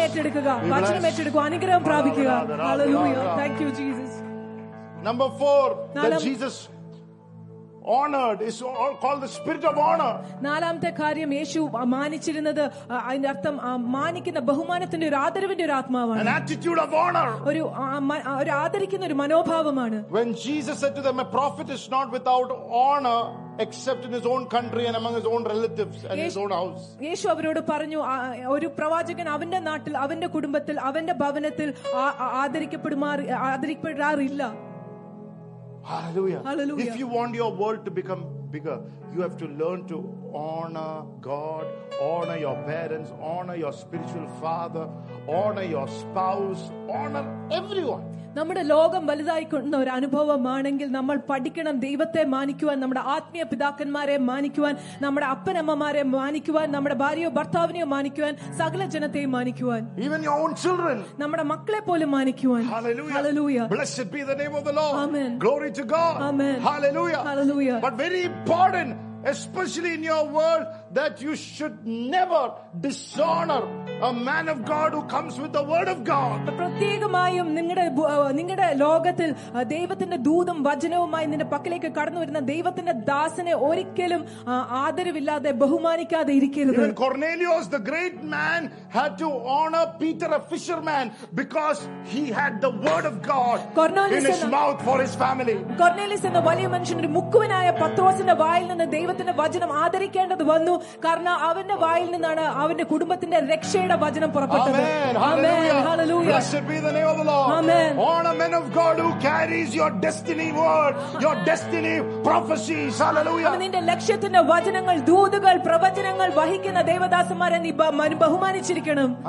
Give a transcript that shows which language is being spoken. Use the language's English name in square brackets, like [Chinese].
[Malayalam] ഏറ്റെടുക്കുക, വചനം ഏറ്റെടുക്കുക, അനുഗ്രഹം പ്രാപിക്കുക. [English] Honored is all called the spirit of honor. [Malayalam] നാലാമത്തെ കാര്യം യേശു മാനിച്ചിരുന്നത് അതിന്റെ അർത്ഥം മാനിക്കുന്ന ബഹുമാനത്തിന്റെ ഒരു ആദരവിന്റെ ഒരു ആത്മാവാണ്. [English] An attitude of honor. [Malayalam] ഒരു ആദരിക്കുന്ന ഒരു മനോഭാവമാണ്. [English] When Jesus said to them, a prophet is not without honor except in his own country and among his own relatives and his own house. [Malayalam] യേശു അവരോട് പറഞ്ഞു ഒരു പ്രവാചകൻ അവന്റെ നാട്ടിൽ അവന്റെ കുടുംബത്തിൽ അവന്റെ ഭവനത്തിൽ ആദരിക്കപ്പെടാറില്ല. [English] Hallelujah. Hallelujah. If you want your world to become bigger, you have to learn to honor God, honor your parents, honor your spiritual father, honor your spouse, honor everyone. [Malayalam] നമ്മുടെ ലോകം വലുതായിക്കൊണ്ടുന്ന ഒരു അനുഭവമാണെങ്കിൽ നമ്മൾ പഠിക്കണം ദൈവത്തെ മാനിക്കുവാൻ, നമ്മുടെ ആത്മീയ പിതാക്കന്മാരെ മാനിക്കുവാൻ, നമ്മുടെ അപ്പനമ്മമാരെ മാനിക്കുവാൻ, നമ്മുടെ ഭാര്യയോ ഭർത്താവിനെയോ മാനിക്കുവാൻ, സകല ജനത്തെയും മാനിക്കുവാൻ, [English] even your own children, [Malayalam] നമ്മുടെ മക്കളെ പോലും മാനിക്കുവാൻ. [English] Hallelujah. Hallelujah. Blessed be the name of the Lord. Amen. Glory to God. Amen. Hallelujah. Hallelujah. But very important, especially in your world, that you should never dishonor a man of God who comes with the word of God. [Malayalam] പ്രത്യേകമായും നിങ്ങളുടെ ലോകത്തിൽ ദൈവത്തിന്റെ ദൂതും വചനവുമായി നിന്റെ പക്കലേക്ക് കടന്നു വരുന്ന ദൈവത്തിന്റെ ദാസനെ ഒരിക്കലും ആദരവില്ലാതെ ബഹുമാനിക്കാതെ ഇരിക്കരുത്. [English] Even Cornelius, the great man, had to honor Peter, a fisherman, because he had the word of God in his mouth for his family. [Malayalam] Cornelius എന്ന വലിയ മനുഷ്യന്റെ മുക്കുവനായ പത്രോസിന്റെ വായിൽ നിന്ന് ദൈവത്തിന്റെ വചനം ആദരിക്കേണ്ടത് വന്നു. കാരണം അവന്റെ വായിൽ നിന്നാണ് അവന്റെ കുടുംബത്തിന്റെ രക്ഷയുടെ വചനം പുറപ്പെട്ടത്. [English] Amen. Hallelujah. Blessed be the name of the Lord. Amen. Honor men of God who carries your destiny word, your destiny prophecies. Hallelujah. [Malayalam] നിന്റെ ലക്ഷ്യത്തിന്റെ വചനങ്ങൾ, ദൂതുകൾ, പ്രവചനങ്ങൾ വഹിക്കുന്ന ദൈവദാസന്മാരെ നീ ബഹുമാനിച്ചിരിക്കണം.